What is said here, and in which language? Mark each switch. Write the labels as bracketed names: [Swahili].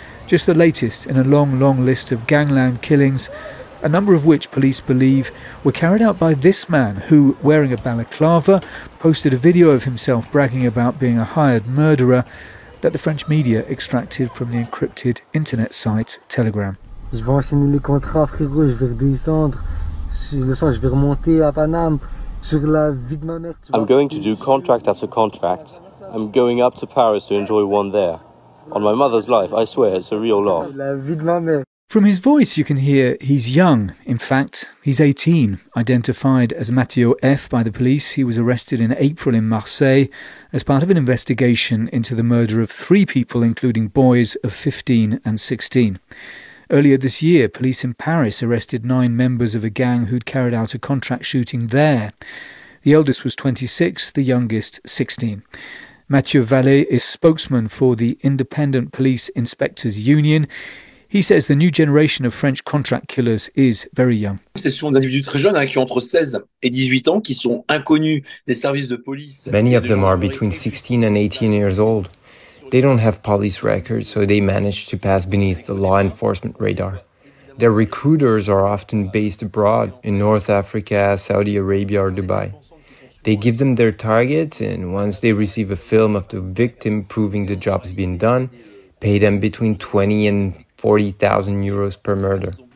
[English] Just the latest in a long, long list of gangland killings, a number of which police believe were carried out by this man who, wearing a balaclava, posted a video of himself bragging about being a hired murderer that the French media extracted from the encrypted internet site Telegram. [French] Je vais enchaîner les contrats, frérot, je vais redescendre. Le soir, je vais remonter à Paname sur la vie de ma mère. [English] I'm going to do contract after contract. I'm going up to Paris to enjoy one there. On my mother's life, I swear, it's a real laugh. [French] La vie de ma mère. [English] From his voice, you can hear he's young. In fact, he's 18. Identified as Mathieu F. by the police, he was arrested in April in Marseille as part of an investigation into the murder of three people, including boys of 15 and 16. Earlier this year, police in Paris arrested nine members of a gang who'd carried out a contract shooting there. The eldest was 26, the youngest 16. Mathieu Vallée is spokesman for the Independent Police Inspectors Union. He says the new generation of French contract killers is very young. [French] C'est souvent des individus très jeunes, hein, qui ont entre 16 et 18 ans, qui sont inconnus des services de police. [English] Many of them are between 16 and 18 years old. They don't have police records, so they manage to pass beneath the law enforcement radar. Their recruiters are often based abroad, in North Africa, Saudi Arabia or Dubai. They give them their targets, and once they receive a film of the victim proving the job's been done, pay them between 20 and 40,000 euros per murder.